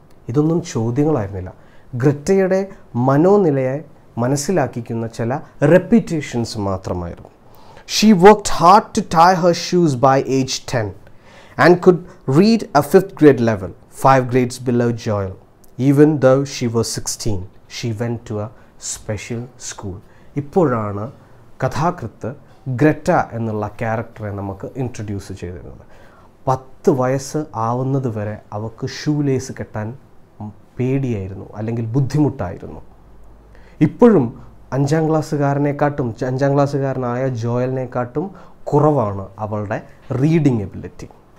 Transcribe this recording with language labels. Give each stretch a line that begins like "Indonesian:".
Malayalam: ഇതൊന്നും ചോദ്യങ്ങളായിരുന്നില്ല, ഗ്രെറ്റയുടെ മനോനിലയെ മനസ്സിലാക്കിക്കുന്ന ചില റെപ്പിറ്റേഷൻസ് മാത്രമായിരുന്നു.
English: She worked hard to tie her shoes by age 10 and could read a fifth grade level 5 grades below Joel. even though she was 16, she went to a special school.
Malayalam: ഇപ്പോഴാണ് കഥാകൃത്ത് Greta എന്നുള്ള ക്യാരക്ടറെ നമുക്ക് introduce ചെയ്തിരുന്നത്. 10 വയസ്സ് ആവുന്നതുവരെ അവൾക്ക് shoelace കെട്ടാൻ പേടിയായിരുന്നു, അല്ലെങ്കിൽ ബുദ്ധിമുട്ടായിരുന്നു. ഇപ്പോഴും 5-ാം ക്ലാസ്സുകാരനെക്കാട്ടും 5-ാം ക്ലാസ്സുകാരനായ ജോയലിനെക്കാട്ടും കുറവാണ് അവളുടെ റീഡിങ് എബിലിറ്റി.